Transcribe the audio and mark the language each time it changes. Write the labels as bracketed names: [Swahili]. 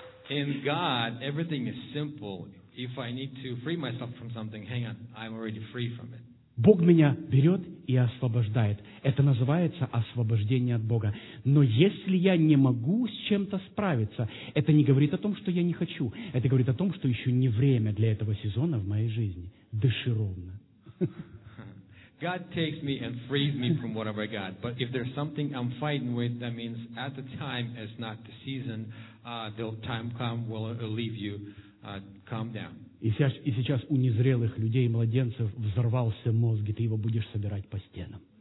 [English] In God, everything is simple. If I need to free myself from something, hang on, I'm already free from it. [Russian] Бог меня берет и освобождает. Это называется освобождение от Бога. Но если я не могу с чем-то справиться, это не говорит о том, что я не хочу. Это говорит о том, что еще не время для этого сезона в моей жизни. Дыши ровно. [English] God takes me and frees me from whatever I got. But if there's something I'm fighting with, that means at the time is not the season. The time come will leave you. Calm down. [Russian] И сейчас у незрелых людей, младенцев, взорвался мозг, и ты его будешь собирать по стенам.